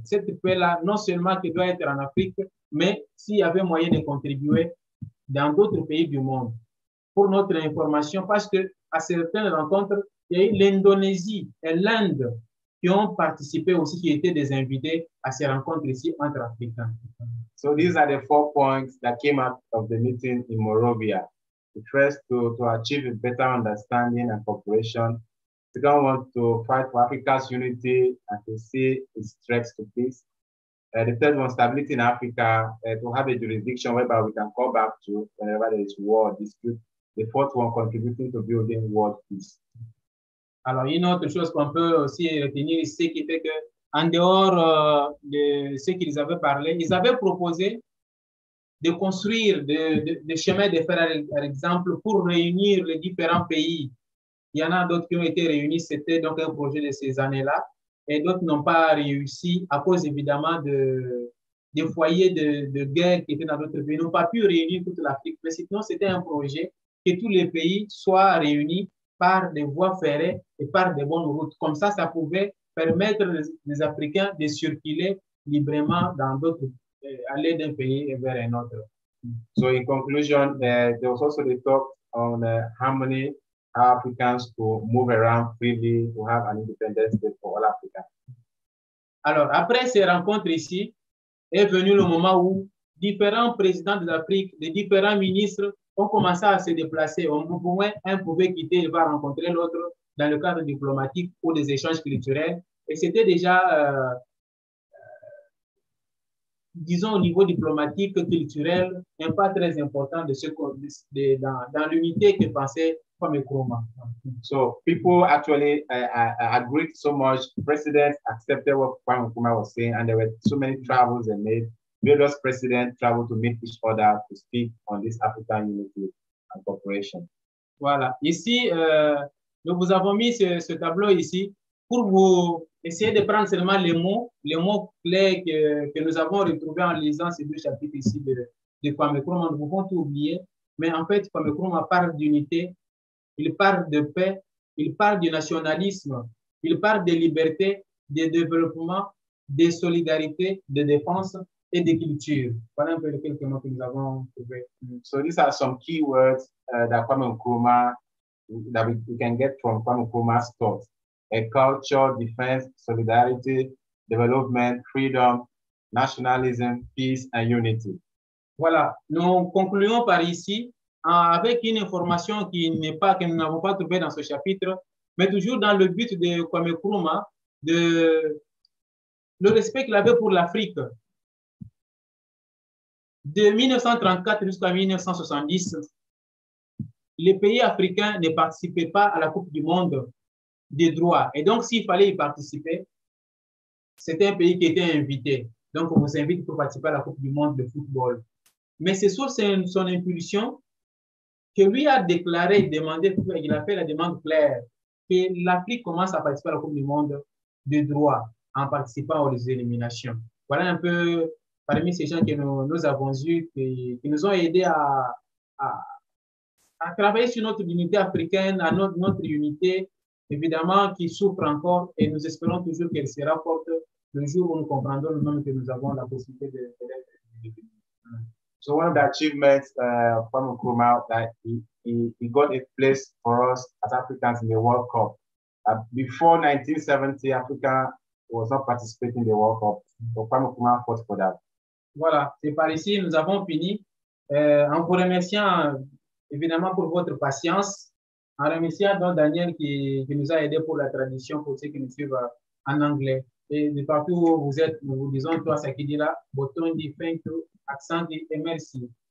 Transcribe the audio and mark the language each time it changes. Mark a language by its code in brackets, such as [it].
[fr] Cette paix-là, non seulement qui doit être en Afrique, mais s'il y avait moyen de contribuer dans d'autres pays du monde. Pour notre information, parce que à certaines rencontres, il y a eu l'Indonésie et l'Inde qui ont participé aussi, qui étaient des invités à ces rencontres ici entre Africains. [en] So these are the four points that came out of the meeting in Monrovia. The first, to achieve a better understanding and cooperation. Second one, to fight for Africa's unity and to see its threats to peace. The third one, stability in Africa, to have a jurisdiction whereby we can call back to whenever there is war or dispute. The fourth one, contributing to building world peace. [fr] Alors, une autre chose qu'on peut aussi retenir, c'est qui fait que, en dehors de ce qu'ils avaient parlé, ils avaient proposé de construire des chemins de fer, par exemple, pour réunir les différents pays. Il y en a d'autres qui ont été réunis, c'était donc un projet de ces années-là, et d'autres n'ont pas réussi à cause évidemment des foyers de guerre qui étaient dans d'autres pays. Ils n'ont pas pu réunir toute l'Afrique, mais sinon c'était un projet que tous les pays soient réunis par des voies ferrées et par des bonnes routes. Comme ça, ça pouvait permettre les Africains de circuler librement dans d'autres, aller d'un pays vers un autre. [en] So in conclusion, there was also the talk on harmony. Africans to move around freely to have an independent state for all Africa. [fr] Alors, après ces rencontres ici, est venu le moment où différents présidents de l'Afrique, des différents ministres ont commencé à se déplacer. Au moins, un pouvait quitter et va rencontrer l'autre dans le cadre diplomatique ou des échanges culturels. Et c'était déjà, disons, au niveau diplomatique, culturel, un pas très important dans l'unité que pensait. [en] So people actually agreed so much. Presidents accepted what Kwame Nkrumah was saying, and there were so many travels they made. Various presidents traveled to meet each other to speak on this African unity and cooperation. [fr] Voilà. Ici, Nous vous avons mis ce tableau ici pour vous essayer de prendre seulement les mots clairs que nous avons retrouvés en lisant ces deux chapitres ici de Kwame Nkrumah. Nous pouvons tout oublier, mais en fait, Kwame Nkrumah parle d'unité, il parle de paix, il parle du nationalisme, il parle de liberté, de développement, de solidarité, de défense et de culture. Voilà un peu quelques mots que nous avons trouvés. [en] So these are some keywords that Kwame Nkrumah, that we can get from Kwame Nkrumah's thoughts. A culture, defense, solidarity, development, freedom, nationalism, peace and unity. [fr] Voilà, nous concluons par ici avec une information que nous n'avons pas trouvée dans ce chapitre, mais toujours dans le but de Kwame Nkrumah, de le respect qu'il avait pour l'Afrique. De 1934 jusqu'à 1970, les pays africains ne participaient pas à la Coupe du Monde des droits. Et donc, s'il fallait y participer, c'était un pays qui était invité. Donc, on vous invite pour participer à la Coupe du Monde de football. Mais c'est sous son impulsion que lui a déclaré, demandé, il a fait la demande claire que l'Afrique commence à participer à la Coupe du Monde des droits en participant aux éliminations. Voilà un peu parmi ces gens que nous avons eus, qui nous ont aidés à travailler sur notre unité africaine, à notre unité, évidemment, qui souffre encore, et nous espérons toujours qu'elle sera forte le jour où nous comprendrons nous-mêmes que nous avons la possibilité de l'être. [en] So one of the achievements from Nkrumah, that he got a place for us as Africans in the World Cup. Before 1970, Africa was not participating in the World Cup. So from Nkrumah fought for that. [fr] Voilà, c'est par ici, nous avons fini. En vous remerciant, évidemment, pour votre patience, en remerciant donc Daniel qui nous a aidé pour la traduction pour ceux qui nous suivent en anglais. Et de partout où vous êtes, nous vous disons toi, ça qui dit là, bouton dit [en] thank you, [fr] accent dit et merci.